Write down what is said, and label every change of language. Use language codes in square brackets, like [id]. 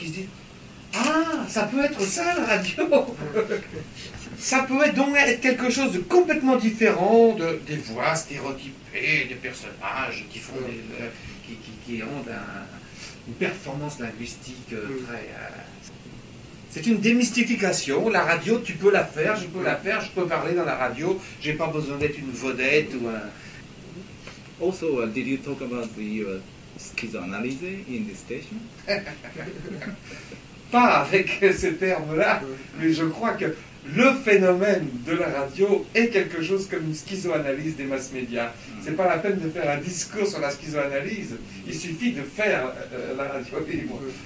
[fr] Il se dit, ah, ça peut être ça la radio. Ça peut donc être quelque chose de complètement différent de, des voix stéréotypées, des personnages qui font qui ont une performance linguistique très... C'est une démystification. La radio, tu peux la faire, je peux la faire, je peux parler dans la radio, j'ai pas besoin d'être une vedette ou un... [en] Also, did you talk about the schizoanalyse in this station? [fr] Pas avec ce terme-là, mais je crois que le phénomène de la radio est quelque chose comme une schizoanalyse des mass médias. C'est pas la peine de faire un discours sur la schizoanalyse, il suffit de faire la radio libre.